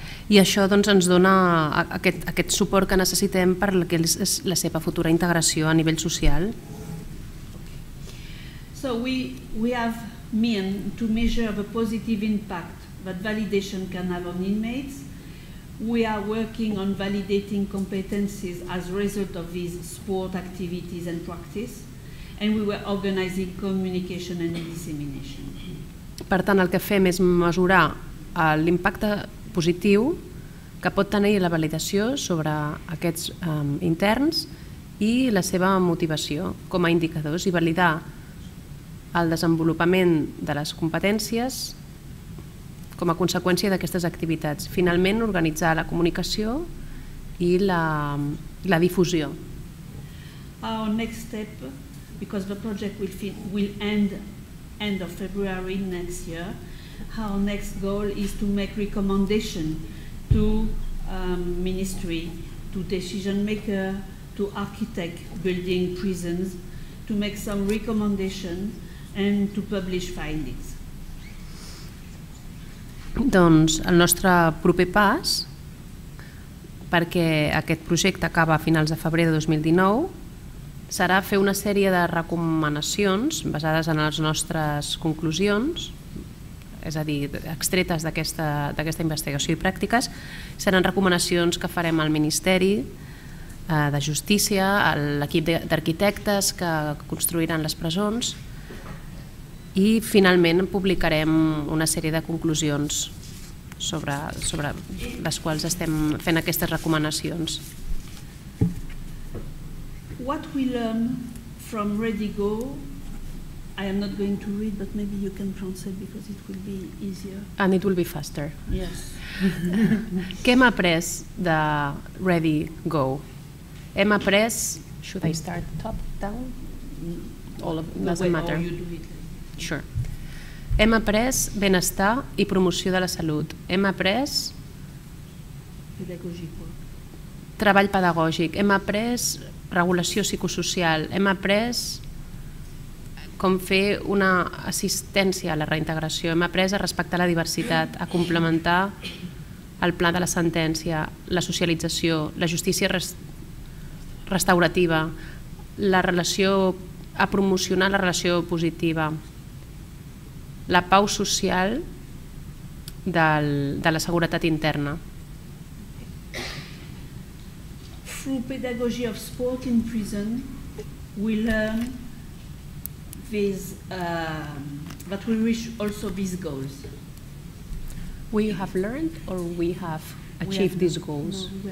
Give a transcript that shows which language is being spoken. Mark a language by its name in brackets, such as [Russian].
[Catalan] I i això doncs, ens dona aquest suport que necessitem per la, que és la seva futura integració a nivell social. [English] So we have mean to measure the positive impact that validation can have on inmates. We are working on validating competencies as a result of these sport activities and practice, and we were organizing communication and dissemination. [Catalan] Per tant, el que fem és mesurar l'impacte positiu que pot tenir la validació sobre aquests interns i la seva motivació com a indicadors i validar el desenvolupament de les competències com a conseqüència d'aquestes activitats. Finalment, organitzar la comunicació i la difusió. [English] Our next step, because the project will end of February next year, our next goal is to make recommendation to ministry, to decision maker, to architect building prisons, to make some recommendation and to publish findings. [Catalan] Doncs el nostre proper pas, perquè aquest projecte acaba a finals de febrer de 2019, serà fer una sèrie de recomanacions basades en les nostres conclusions, és a dir, extretes d'aquesta investigació i pràctiques, seran recomanacions que farem al Ministeri de Justícia, a l'equip d'arquitectes que construiran les presons i finalment publicarem una sèrie de conclusions sobre les quals estem fent aquestes recomanacions. [English] What we learn from ReadyGo, I am not going to read, but maybe you can translate because it will be easier. And it will be faster. Yes. [Catalan] Què hem après de ReadyGo? Hem après... [English] Should I start top, down? All of it doesn't matter. You do it. Sure. [Catalan] Hem après benestar i promoció de la salut. Hem après... [English] Pedagogic. [Catalan] Treball pedagògic. Hem après regulació psicosocial. Hem après com fer una assistència a la reintegració. Hem après a respectar la diversitat, a complementar el pla de la sentència, la socialització, la justícia restaurativa, la relació, a promocionar la relació positiva, la pau social de la seguretat interna. [English] Through pedagogy of sport in prison, we learn that we reach also these goals. We have learned or we have achieved these goals?